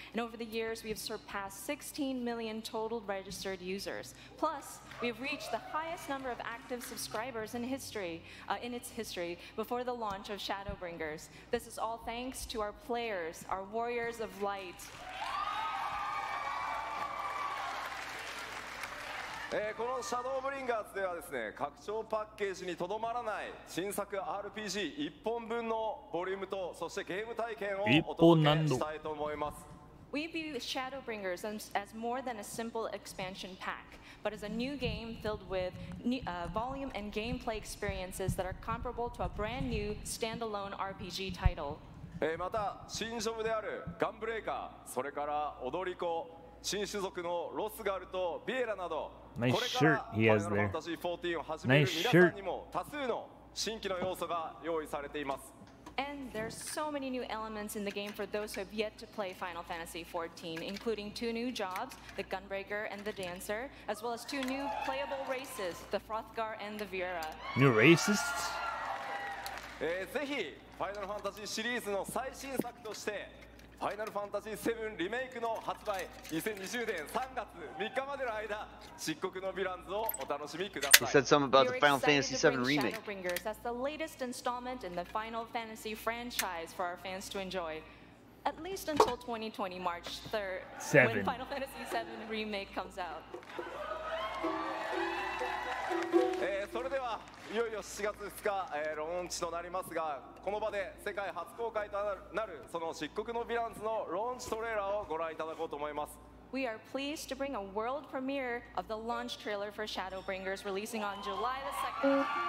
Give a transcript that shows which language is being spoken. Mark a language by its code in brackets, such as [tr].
[en] And over the years, we have surpassed 16 million total registered users. Plus, we have reached the highest number of active subscribers in history, in its history, before the launch of Shadowbringers. This is all thanks to our players, our Warriors of Light. [ja] このシャドーブリンガーズではですね、拡張パッケージにとどまらない新作 RPG 一本分のボリュームと、そしてゲーム体験をお届けしたいと思います。 [en] We view Shadowbringers as more than a simple expansion pack, but as a new game filled with volume and gameplay experiences that are comparable to a brand new standalone RPG title. [ja] また新ジョブであるガンブレイカー、それから踊り子、新種族のロスガルとビエラなど、 [en] nice shirt he has there. Nice shirt. [ja] 多数の新規の要素が用意されています。 [en] And there's so many new elements in the game for those who have yet to play Final Fantasy XIV, including two new jobs, the Gunbreaker and the Dancer, as well as two new playable races, the Frothgar and the Viera. New racists? [ja] ぜひ Final Fantasy シリーズの最新作として Final Fantasy VII リメイクの発売2020年3月3日までの間、漆黒のヴィランズをお楽しみください。 [en] He said something about the Final Fantasy VII remake. Shadowbringers, that's the latest installment in the Final Fantasy franchise for our fans to enjoy. At least until 2020 March 3rd, seven. When Final Fantasy VII remake comes out. [ja] それでは、いよいよ7月2日、ローンチとなりますが、この場で世界初公開となる、その漆黒のヴィランズのローンチトレーラーをご覧いただこうと思います。 [en] We are pleased to bring a world premiere of the launch trailer for Shadowbringers releasing on July the 2nd.